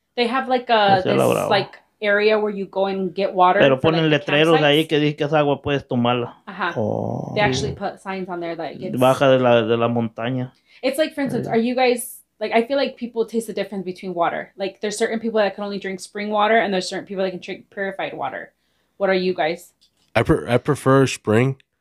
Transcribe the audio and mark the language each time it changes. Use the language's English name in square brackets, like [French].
[English] They have like a, this like area where you go and get water. [Spanish] Pero ponen letreros ahí que dicen que esa agua puedes tomarla. Ajá. Uh-huh. Oh. [English] They actually put signs on there that it's... [Spanish] Baja de la montaña. [English] It's like, for instance, are you guys... Like, I feel like people taste the difference between water. Like, there's certain people that can only drink spring water, and there's certain people that can drink purified water. What are you guys? I prefer spring.